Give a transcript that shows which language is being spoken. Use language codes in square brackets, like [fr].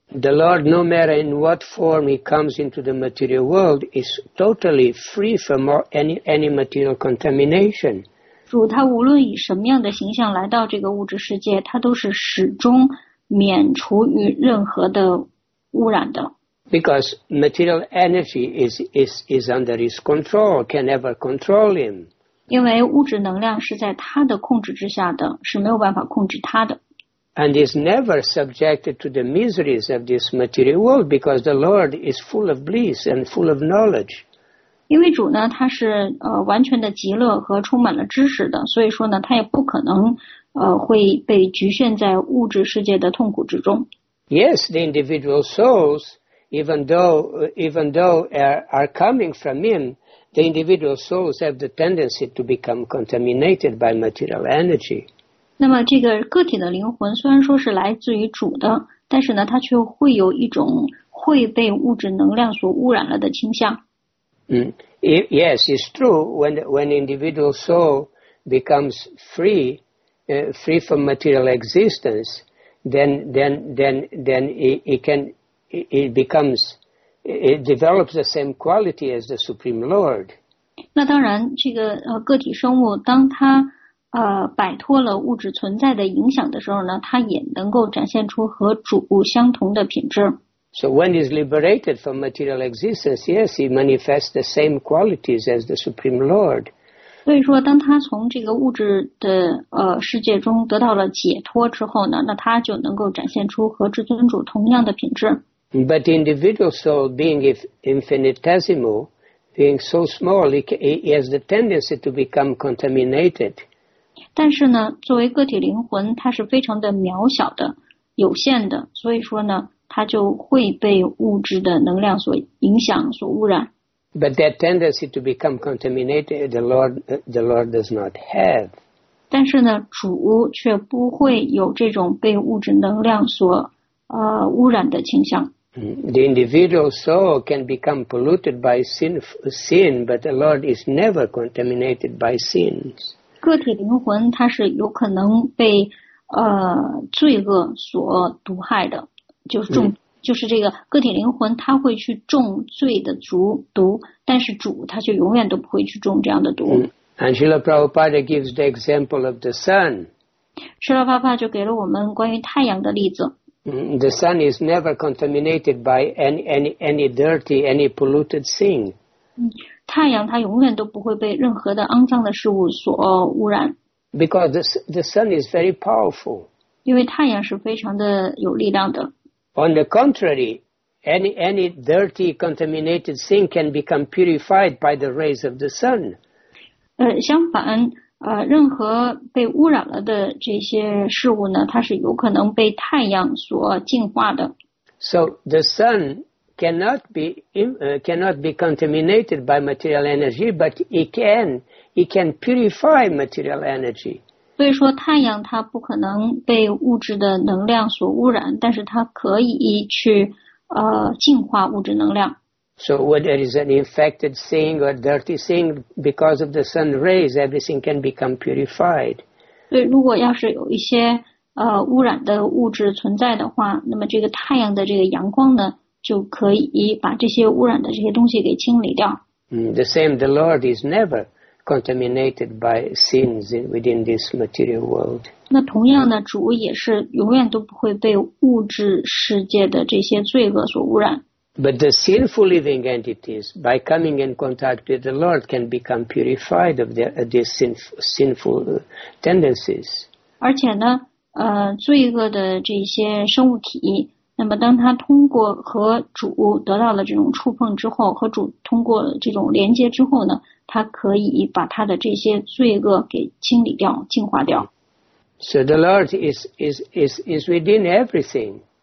[en] The Lord, no matter in what form he comes into the material world, is totally free from any material contamination. [zh] 主他无论以什么样的形象来到这个物质世界，他都是始终免除于任何的污染的。 [en] Because material energy is under his control, can never control him. [zh] 因为物质能量是在他的控制之下的，是没有办法控制他的。 [en] And is never subjected to the miseries of this material world because the Lord is full of bliss and full of knowledge. [zh] 因为主呢，他是完全的极乐和充满了知识的，所以说呢，他也不可能会被局限在物质世界的痛苦之中。 [en] Yes, the individual souls, even though are coming from him, the individual souls have the tendency to become contaminated by material energy. [zh] 那么这个个体的灵魂虽然说是来自于主的，但是呢，它却会有一种会被物质能量所污染了的倾向。 [en] Yes, it's true. When individual soul becomes free, free from material existence, then it develops the same quality as the Supreme Lord. [zh] 那当然，这个个体生物当它摆脱了物质存在的影响的时候呢，它也能够展现出和主相同的品质。 [en] So when he's liberated from material existence, yes, he manifests the same qualities as the Supreme Lord. [zh] 所以说，当他从这个物质的世界中得到了解脱之后呢，那他就能够展现出和至尊主同样的品质。 [en] But the individual soul, being infinitesimal, being so small, he has the tendency to become contaminated. [zh] 但是呢，作为个体灵魂，他是非常的渺小的、有限的，所以说呢。它就会被物质的能量所影响、所污染。 [en] But that tendency to become contaminated, the Lord does not have. [zh] 但是呢，主却不会有这种被物质能量所污染的倾向。 [en] The individual soul can become polluted by sin, but the Lord is never contaminated by sins. [zh] 个体灵魂它是有可能被罪恶所毒害的。就是这个个体灵魂，他会去中罪的毒，但是主他就永远都不会去中这样的毒。 [en] And Srila Prabhupada gives the example of the sun. [zh] Srila Prabhupada 就给了我们关于太阳的例子。 [en] The sun is never contaminated by any dirty, any polluted thing. [zh] 太阳它永远都不会被任何的肮脏的事物所污染。 [en] Because the sun is very powerful. [zh] 因为太阳是非常的有力量的。 [en] On the contrary, any dirty, contaminated thing can become purified by the rays of the sun. [zh] 相反，任何被污染了的这些事物呢，它是有可能被太阳所净化的。 [en] So the sun cannot be contaminated by material energy, but it can purify material energy. [zh] 所以说太阳它不可能被物质的能量所污染，但是它可以去净化物质能量。 [en] So whether it's an infected thing or dirty thing, because of the sun rays, everything can become purified. [zh] 对，如果要是有一些污染的物质存在的话，那么这个太阳的这个阳光呢，就可以把这些污染的这些东西给清理掉。 [en] The same, the Lord is never contaminated by sins within this material world. [zh] 那同样的，主也是永远都不会被物质世界的这些罪恶所污染。 [en] But the sinful living entities, by coming in contact with the Lord, can become purified of these sinful tendencies. [zh] 而且呢，罪恶的这些生物体，那么当它通过和主得到了这种触碰之后，和主通过这种连接之后呢，它可以把它的这些罪恶给清理掉、净化掉。 [en] So the Lord is within everything.